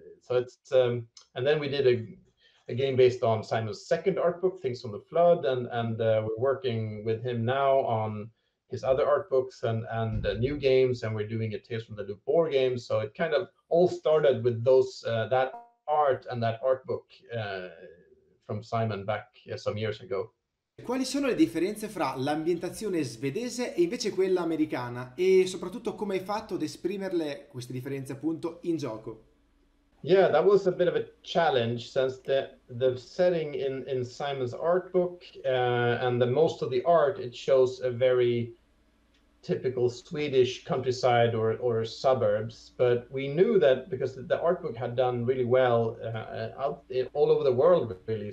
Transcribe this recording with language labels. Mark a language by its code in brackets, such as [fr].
[en] And then we did a game based on Simon's second art book, Things from the Flood, and we're working with him now on his other art books and new games, and we're doing a Tales from the Loop board game. So it kind of all started with those that art and that art book from Simon back some years ago. [it] Quali sono le differenze fra l'ambientazione svedese e invece quella americana, e soprattutto come hai fatto ad esprimerle queste differenze appunto in gioco? [en] Yeah, that was a bit of a challenge, since the setting in Simon's art book and the most of the art, it shows a very typical Swedish countryside or suburbs. But we knew that because the art book had done really well all over the world, really.